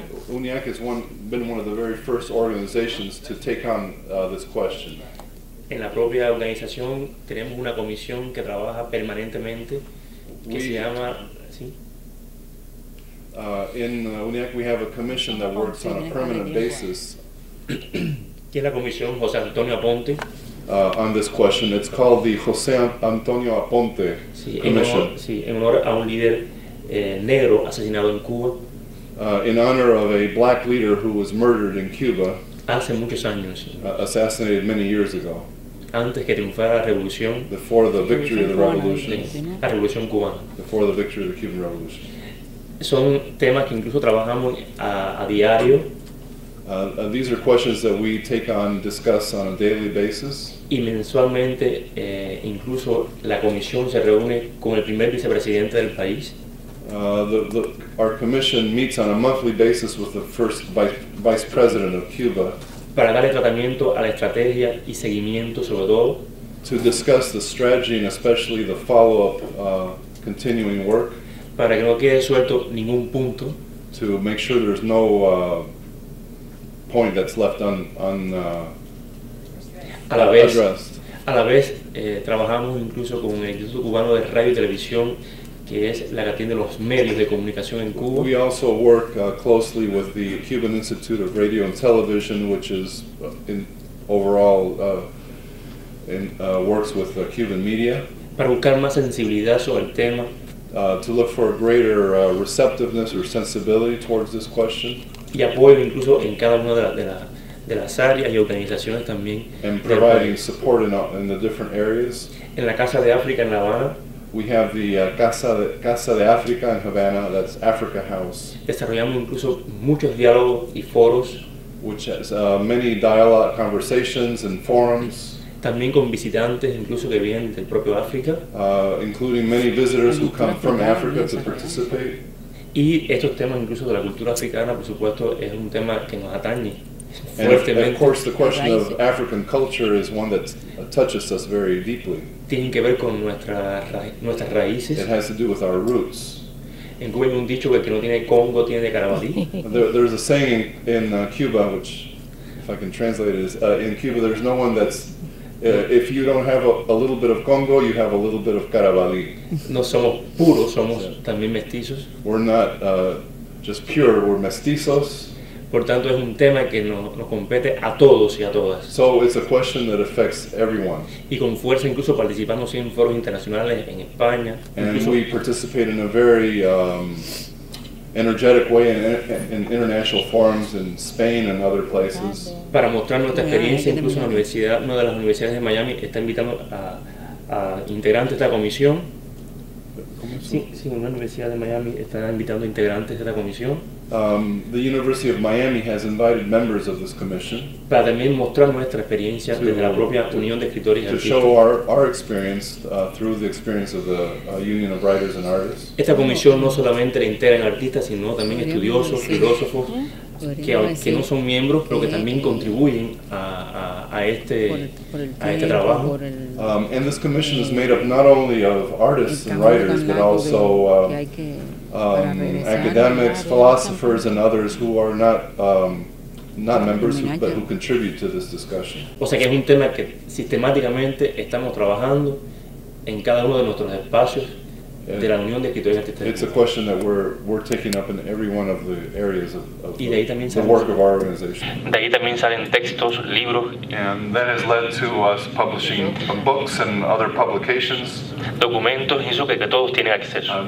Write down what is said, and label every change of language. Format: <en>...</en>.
<en>UNIAC has been one of the very first organizations to take on this question.</en> <es>En la propia organización tenemos una comisión que trabaja permanentemente que se llama. ¿Sí?</es> <en>In UNIAC we have a commission that works on a permanent basis.</en> <es>¿Qué es la comisión José Antonio Aponte?</es> <en>On this question, it's called the José Antonio Aponte Commission.</en> <es>Sí, en honor a un líder. Negro asesinado en Cuba.</es> <en>In honor of a black leader who was murdered in Cuba.</en> <es>Hace muchos años.</es> <en>Assassinated many years ago.</en> <es>Antes que triunfara la revolución.</es> <en>Before the victory of the revolution.</en> <es>La revolución cubana.</es> <en>Before the victory of the Cuban Revolution.</en> <es>Son temas que incluso trabajamos a diario.</es> <en>These are questions that we take on, discuss on a daily basis.</en> <es>Y mensualmente, incluso la comisión se reúne con el primer vicepresidente del país.</es> <en>Our commission meets on a monthly basis with the first vice president of Cuba.</en> <es>Para darle tratamiento a la estrategia y seguimiento sobre todo.</es> <en>To discuss the strategy and especially the follow-up continuing work.</en> <es>Para que no quede suelto ningún punto.</es> <en>To make sure there's no point that's left unaddressed.</en> <es>A la vez, trabajamos incluso con el Instituto Cubano de Radio y Televisión. Que es la que atiende los medios de comunicación en Cuba.</es> <en>We also work closely with the Cuban Institute of Radio and Television, which is works with the Cuban media.</en> <es>Para buscar más sensibilidad sobre el tema.</es> <en>To look for a greater receptiveness or sensibility towards this question.</en> <es>Y apoyo incluso en cada una de las áreas y organizaciones también.</es> <en>And providing support in the different areas.</en> <es>En la Casa de África en La Habana.</es> <en>We have the Casa de Africa in Havana, that's Africa House.</en> <es>Desarrollamos incluso muchos diálogos y foros.</es> <en>Which has many dialogue conversations and forums.</en> <es>También con visitantes incluso que vienen del propio África.</es> <en>Including many visitors who come from Africa to participate.</en> <es>Y estos temas incluso de la cultura africana, por supuesto, es un tema que nos atañe.</es> <en>And of course, the question of African culture is one that touches us very deeply.</en> <es>Tienen que ver con nuestras raíces.</es> <en>It has to do with our roots.</en> <es>En Cuba hay un dicho que no tiene Congo, tiene de Carabalí.</es> <en>There's a saying in Cuba, which, if I can translate it, is in Cuba there's no one that's, if you don't have a little bit of Congo, you have a little bit of Carabalí.</en> <es>No somos puros, somos también mestizos.</es> <en>We're not just pure, we're mestizos.</en> <es>Por tanto, es un tema que nos compete a todos y a todas.</es> <en>So it's a question that affects everyone.</en> <es>Y con fuerza incluso participamos en foros internacionales en España.</es> <en>And</en> <es>incluso</es> <en>we participate in a very energetic way in international forums in Spain and other places.</en> <es>Para mostrar nuestra experiencia, incluso una de las universidades de Miami está invitando a integrantes de esta comisión. Sí, una universidad de Miami está invitando integrantes de la comisión.</es> <en>The University of Miami has invited members of this commission.</en> <es>Para también mostrar nuestra experiencia desde la propia Unión de Escritores y Artistas.</es> <en>To show our experience through the experience of the Union of Writers and Artists.</en> <es>Esta comisión no solamente la integran artistas, sino también estudiosos, filósofos, que no son miembros, pero que también contribuyen a a este trabajo.</es> <en>And this commission is made up not only of artists and writers, but also academics, philosophers, and others who are not not members, but who contribute to this discussion.</en> <es>O sea, que es un tema que sistemáticamente estamos trabajando en cada uno de nuestros espacios. De la Unión de Escritores Artistas.</es> <en>It's a question that we're taking up in every one of the areas of</en> <es>y de ahí también</es> <en>the work of our organization.</en> <es>De ahí también salen textos, libros.</es> <en>And that has led to us publishing books and other publications.</en> <es>Documentos, eso que todos tienen acceso.</es>